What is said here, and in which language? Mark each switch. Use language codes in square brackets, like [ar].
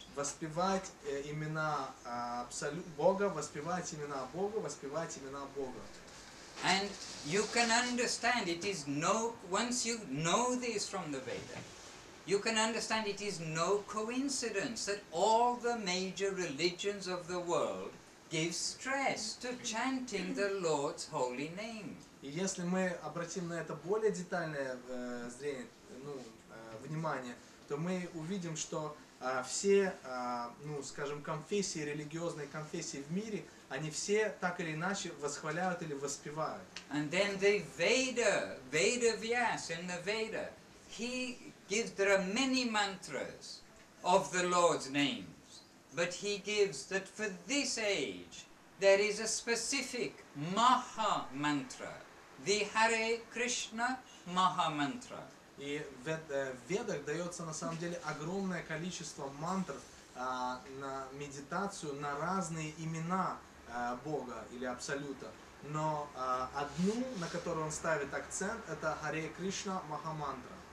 [ru] Воспевать имена Бога, воспевать имена Бога, воспевать имена Бога. [en] And you can understand it is no, once you know this from the Veda, you can understand it is no coincidence that all the major religions of the world give stress to chanting the Lord's holy name. [ru] И если мы обратим на это более детальное зрение, внимание, то мы увидим, что все, скажем, конфессии, религиозные конфессии в мире, они все так или иначе восхваляют или воспевают. [en] And then the Veda, Veda Vyas in the Veda, he gives, there are many mantras of the Lord's name. But he gives that for this age there is a specific Maha mantra, the Hare Krishna Maha mantra. [ru] И в ведах дается на самом деле огромное количество мантр на медитацию на разные имена Бога или Абсолюта. Но одну, на которую он ставит акцент, это Hare Krishna Maha mantra.